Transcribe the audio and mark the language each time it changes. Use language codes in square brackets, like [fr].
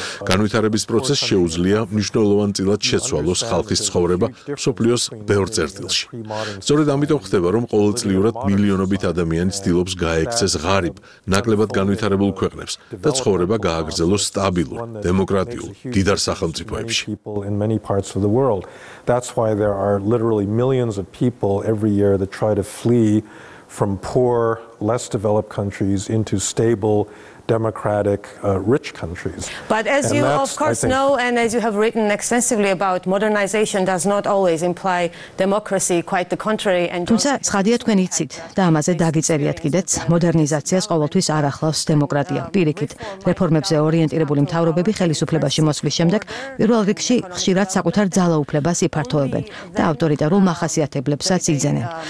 [ka] განვითარების პროცესს შეუძლია მნიშვნელოვან წილად შეცვალოს ხალხის ცხოვრება მსოფლიოს ბევრ წერტილში. სწორედ ამიტომ ხდება, რომ ყოველწლიურად მილიონობით ადამიანი ცდილობს გაექცეს ღარიბ, ნაკლებად განვითარებულ ქვეყნებს და ცხოვრება გააგრძელოს სტაბილურ, დემოკრატიულ, დიდარ სახელმწიფოებში. [en] In many parts of the world. That's why there are literally millions of people every year that try to flee from poor, less developed countries into stable democratic rich countries. But as you of course know and as you have written extensively about modernization does not always imply democracy, quite the contrary. [ka] თუმცა ცხადია თქვენ იცით და ამაზე დაგიწერიათ კიდეც, მოდერნიზაციას ყოველთვის არ ახლავს დემოკრატია. პირიქით, რეფორმებზე ორიენტირებული მთავრობები ხელისუფლებაში მოსვლის შემდეგ პირველ რიგში ხშირად საკუთარ ძალაუფლებას იფართოვებენ და ავტორიტარულ მახასიათებლებსაც იძენენ.